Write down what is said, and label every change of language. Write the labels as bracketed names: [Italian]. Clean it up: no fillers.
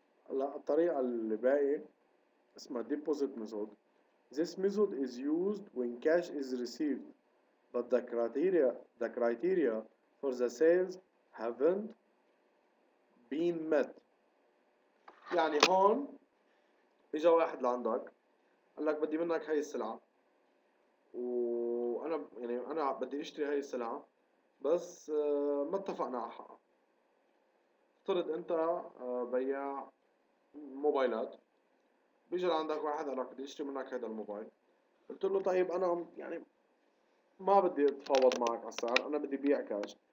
[Arabic] لا الطريقة اللي باقي اسمها deposit method. [English] This method is used when cash is received, but the criteria for the sales haven't been met. [Arabic] يعني هون اجى واحد لعندك قال لك بدي منك هاي السلعة، وانا يعني انا بدي اشتري هاي السلعة بس ما اتفقنا على حقها. افترض انت بياع موبايلات، بيجي لعندك واحد قال لك بدي اشتري منك هذا الموبايل، قلت له طيب انا يعني ما بدي اتفاوض معك على السعر، انا بدي بيع كاش.